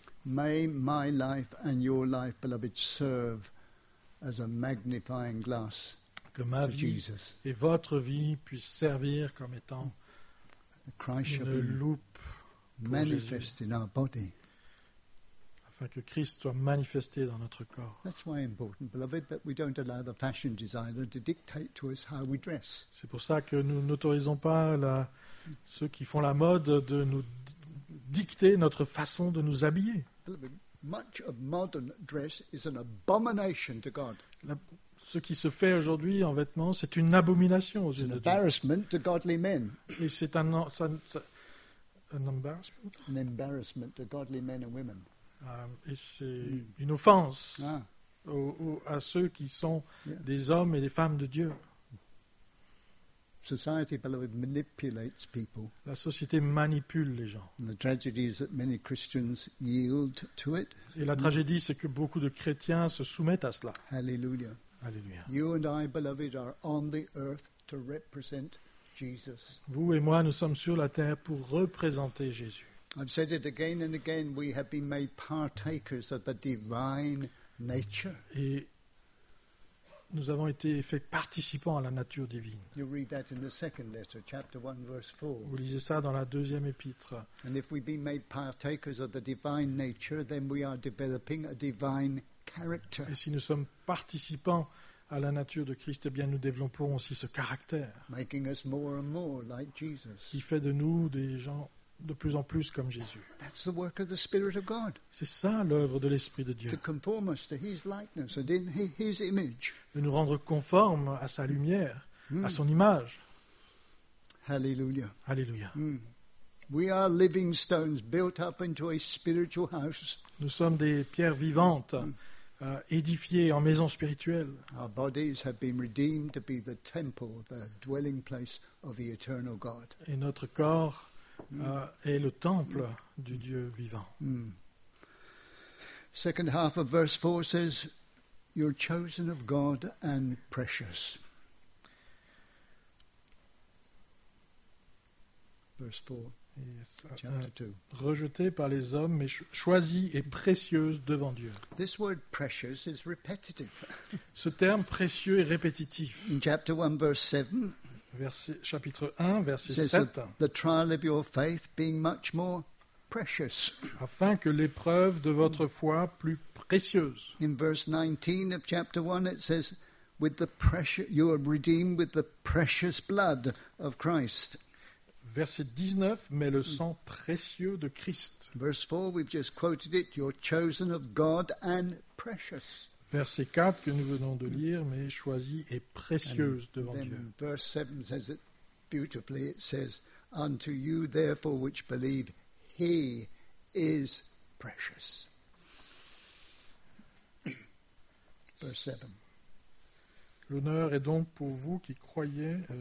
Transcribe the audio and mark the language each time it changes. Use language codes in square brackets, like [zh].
[en] May my life and your life, beloved, serve as a magnifying glass to Jesus. [fr] Et votre vie puisse servir comme étant une loupe [en] manifest in our body. [fr] Afin que Christ soit manifesté dans notre corps. [en] That's why important, beloved, that we don't allow the fashion designer to dictate to us how we dress. [fr] C'est pour ça que nous n'autorisons pas ceux qui font la mode de nous dicter notre façon de nous habiller. [en] Beloved, much of modern dress is an abomination to God. [fr] Ce qui se fait aujourd'hui en vêtements, c'est une abomination aux yeux de Dieu. [en] It's an embarrassment to godly men. [fr] Et c'est [en] an embarrassment to godly men and women. [fr] Et c'est une offense à ceux qui sont des hommes et des femmes de Dieu. [en] Society, beloved, manipulates people. [fr] La société manipule les gens. [en] And the tragedy is that many Christians yield to it. [fr] Et la tragédie, c'est que beaucoup de chrétiens se soumettent à cela. [en] Hallelujah. Hallelujah. You and I, beloved, are on the earth to represent Jesus. [fr] Vous et moi, nous sommes sur la terre pour représenter Jésus. [en] I've said it again and again, we have been made partakers of the divine nature. [fr] Et nous avons été fait participants à la nature divine. [en] You read that in the second letter, chapter 1, verse 4. [fr] Vous lisez ça dans la deuxième épître. [en] And if we've been made partakers of the divine nature, then we are developing a divine character. [fr] Et si nous sommes participants à la nature de Christ, eh bien nous développons aussi ce caractère. [en] Making us more and more like Jesus. [fr] Qui fait de nous des gens de plus en plus comme Jésus. [en] That's the work of the Spirit of God. [fr] C'est ça l'œuvre de l'Esprit de Dieu. [en] To conform us to his likeness and in his image. [fr] De nous rendre conformes à sa lumière, à son image. [en] Hallelujah. Hallelujah. We are living stones built up into a spiritual house. [fr] Nous sommes des pierres vivantes édifiées en maison spirituelle. [en] Our bodies have been redeemed to be the temple, the dwelling place of the eternal God. [fr] Et notre corps est le temple du Dieu vivant. [en] Second half of verse 4 says, "You're chosen of God and precious." Verse 4. [fr] Yes, rejeté par les hommes, mais choisi et précieuse devant Dieu. [en] This word precious is repetitive. [fr] Ce terme précieux est répétitif. [en] In chapter 1, verse 7. [fr] Chapitre 1, verset 7. [en] The trial of your faith being much more precious. [fr] Afin que l'épreuve de votre foi plus précieuse. [en] In verse 19 of chapter 1, it says, "With the precious, you are redeemed with the precious blood of Christ." [fr] Verset 19, mais le sang précieux de Christ. [en] Verse 4, we've just quoted it, you're chosen of God and precious. [fr] Verset 4 que nous venons de lire, mais choisi et précieuse devant Dieu. [en] Verse 7 says it beautifully, it says, "Unto you therefore which believe, he is precious." Verse 7. [fr] L'honneur est donc pour vous qui croyez...